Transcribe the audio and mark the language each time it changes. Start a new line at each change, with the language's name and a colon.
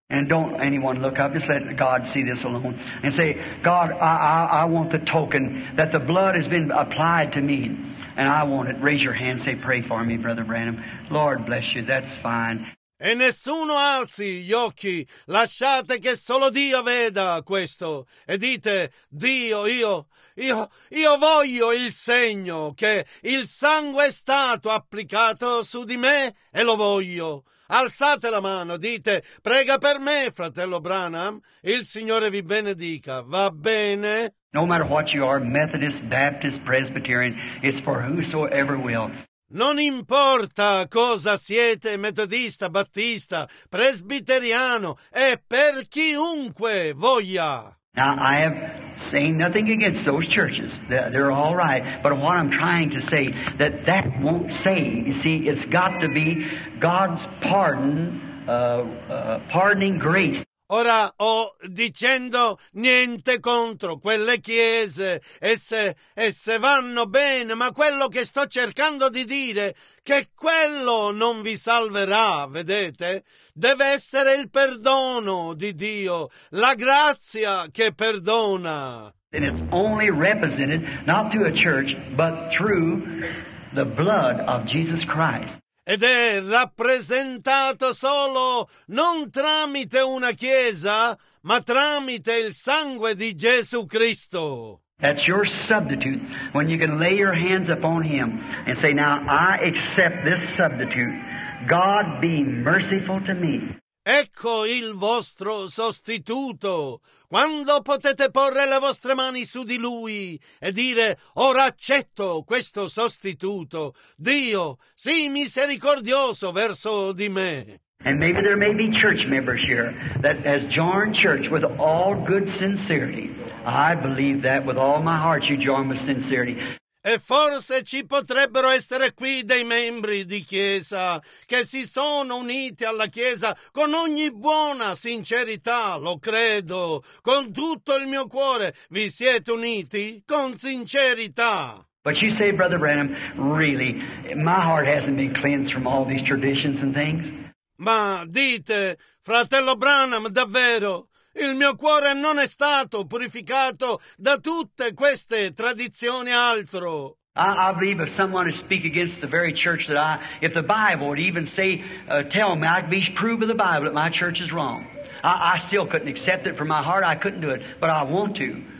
English: And don't anyone look up. Just let God see this alone. And say, God, I want the token that the blood has been applied to me, and I want it. Raise your hand, say, pray for me, Brother Branham. Lord, bless you, that's fine.
Italian: E nessuno alzi gli occhi, lasciate che solo Dio veda questo. E dite, Dio, io voglio il segno che il sangue è stato applicato su di me e lo voglio. Alzate la mano, dite, prega per me, fratello Branham, il Signore vi benedica, va bene?
English: No matter what you are, Methodist, Baptist, Presbyterian, it's for whosoever will.
Italian: Non importa cosa siete, metodista, battista, presbiteriano, è per chiunque voglia.
English: Now, I have saying nothing against those churches. They're all right. But what I'm trying to say, that won't say. You see, it's got to be God's pardon, pardoning grace.
Italian: Ora ho dicendo niente contro quelle chiese, esse vanno bene, ma quello che sto cercando di dire che quello non vi salverà, vedete? Deve essere il perdono di Dio, la grazia che perdona.
English: And it's only represented not through a church, but through the blood of Jesus Christ.
Italian: Ed è rappresentato solo non tramite una chiesa, ma tramite il sangue di Gesù Cristo.
English: That's your substitute when you can lay your hands upon him and say, now I accept this substitute. God be merciful to me.
Italian: Ecco il vostro sostituto, quando potete porre le vostre mani su di lui e dire, ora accetto questo sostituto, Dio, sii misericordioso verso di me.
English: And maybe there may be church members here that has joined church with all good sincerity. I believe that with all my heart you join with sincerity.
Italian: E forse ci potrebbero essere qui dei membri di chiesa che si sono uniti alla chiesa con ogni buona sincerità, lo credo, con tutto il mio cuore, vi siete uniti con sincerità.
English: But you say, Brother Branham, really, my heart hasn't been cleansed from all these traditions and things.
Italian: Ma dite, fratello Branham, davvero? Il mio cuore non è stato purificato da tutte queste tradizioni altro.
English: I believe if someone would speak against the very church that I, if the Bible would even say, tell me, I'd be proved by the Bible that my church is wrong. I still couldn't accept it from my heart, I couldn't do it, but I want to.